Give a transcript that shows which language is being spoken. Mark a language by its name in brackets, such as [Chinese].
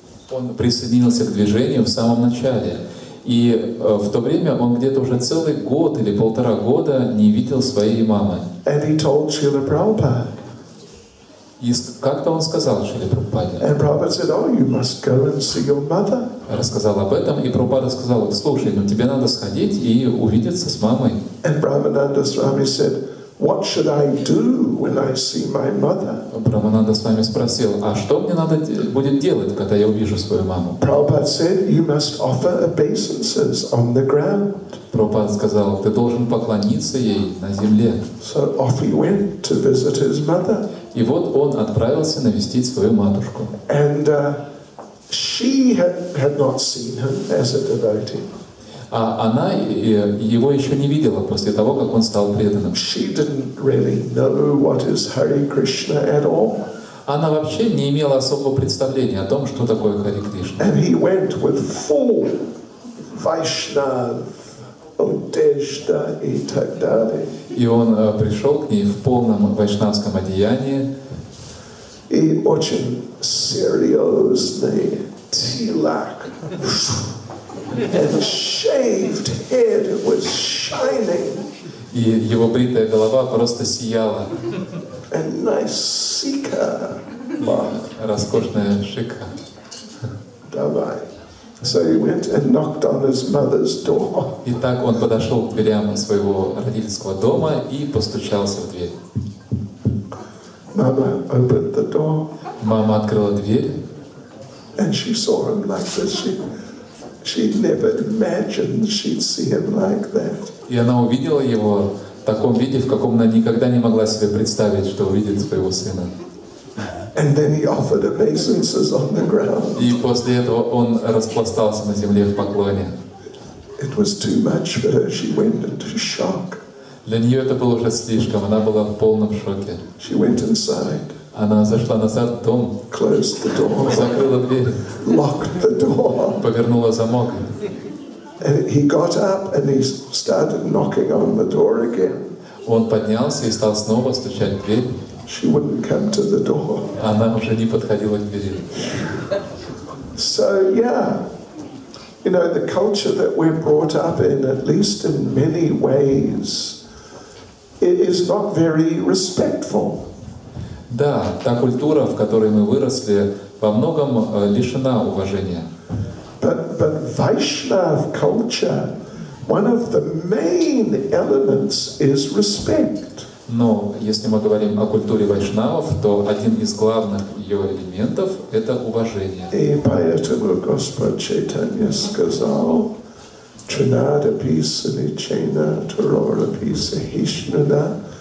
[Russian] Он присоединился к движению в самом начале. И в то время он где-то уже целый год или полтора года не видел своей мамы. [English] And he told Srila Prabhupada. [Russian] И как-то он сказал Шриле Прабхупаде. [English] And Prabhupada said, oh, you must go and see your mother. [Russian] Рассказал об этом, и Прабхупада сказал, слушай, ну тебе надо сходить и увидеться с мамой. [English] And Brahmananda Swami said, what should I do when I see my mother? [Russian] Брахмананда с вами спросил, а что мне надо будет делать, когда я увижу свою маму? [English] Prabhupada said, you must offer obeisances on the ground. [Russian] Прабхупада сказал, ты должен поклониться ей на земле. [English] So off he went to visit his mother. [Russian] И вот он отправился навестить свою матушку. [English] And she had not seen him as a devotee. [Russian] А она его еще не видела после того, как он стал преданным. [English] She didn't really know what is Hare Krishna at all. [Russian] Она вообще не имела особого представления о том, что такое Хари Кришна. [English] And he went with full Vaishnav [Russian] odeshda и так далее. И он пришел к ней в полном вайшнавском одеянии. И очень серьезный тилак. [English] And shaved head was shining. [Russian] И его бритая голова просто сияла. [English] And nice sikha. [Russian] Роскошная шика. Давай. [English] So he went and knocked on his mother's door. [Russian] И так он подошел к дверям своего родительского дома и постучался в дверь. [English] Mama opened the door. [Russian] Мама открыла дверь. [English] And she saw him like this. She never imagined she'd see him like that. [Russian] И она увидела его в таком виде, в каком она никогда не могла себе представить, что увидит своего сына. [English] And then he offered obeisances on the ground. [Russian] И после этого он распластался на земле в поклоне. [English] It was too much for her. She went into shock. [Russian] Для нее это было уже слишком. Она была в полном шоке. [English] She went inside. [Russian] Она зашла назад в дом, [English] closed the door, [Russian] закрыла дверь, [English] locked the door, [Russian] повернула замок. [English] And he got up and he started knocking on the door again. [Russian] Он поднялся и стал снова стучать в дверь. [English] She wouldn't come to the door. [Russian] Она уже не подходила к двери. [English] So yeah, you know, the culture that we're brought up in, at least in many ways, it is not very respectful. [Russian] Да, та культура, в которой мы выросли, во многом лишена уважения. [English] But Vaishnav culture, one of the main elements is respect. [Russian] Но если мы говорим о культуре вайшнавов, то один из главных ее элементов — это уважение. И поэтому Господь Чайтанья сказал, «Чинада писани чайна тарора писа хишнана».